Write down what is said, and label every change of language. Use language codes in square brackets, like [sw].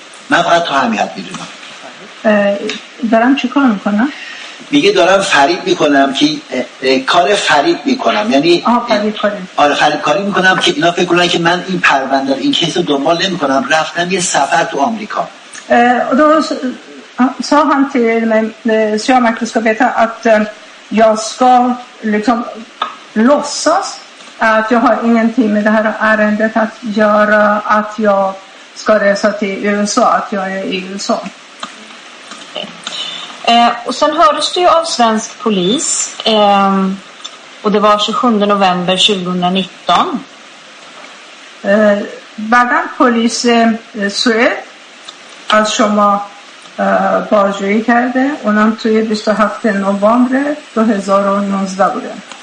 [fa] من فقط تو همین حد میدونم. دارم چی کار میکنم؟ میگه دارم فریب میکنم که کار فریب میکنم، یعنی فریب کاری میکنم که اینا فکر کنن که من این پرونده این کیس رو دنبال نمیکنم، رفتم یه سفر تو آمریکا. درست [sv] sa han till mig, Sjömark, du ska veta att jag ska liksom låtsas att jag har ingenting med det här ärendet att göra, att jag ska resa till USA, att jag är i USA. Och sen hördes du ju av svensk polis och det var 27 november 2019. Bagan polis [fa] سوئه از شما بازجویی کرده اونم توی 27 نوامبر 2019 بوده.